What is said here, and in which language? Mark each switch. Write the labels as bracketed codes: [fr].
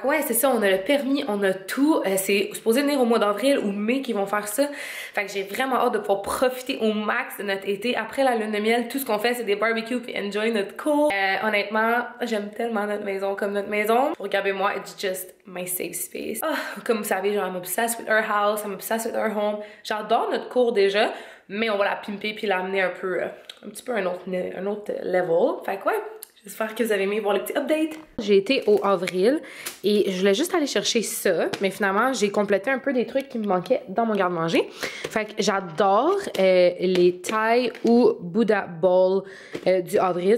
[fr] Ouais, c'est ça, on a le permis, on a tout. C'est supposé venir au mois d'avril ou mai qu'ils vont faire ça. Fait que j'ai vraiment hâte de pouvoir profiter au max de notre été. Après la lune de miel, tout ce qu'on fait, c'est des barbecues puis enjoy notre cour. Honnêtement, j'aime tellement notre maison comme notre maison. Regardez-moi, [en] it's just my safe space. [fr] Oh, comme vous savez, genre, [en] I'm obsessed with our house, I'm obsessed with our home. [fr] J'adore notre cour déjà. Mais on va la pimper puis l'amener un petit peu un autre level. Fait que ouais, j'espère que vous avez aimé voir les petits updates. J'ai été au avril et je voulais juste aller chercher ça. Mais finalement, j'ai complété un peu des trucs qui me manquaient dans mon garde-manger. Fait que j'adore les Thai ou Buddha Bowl du avril.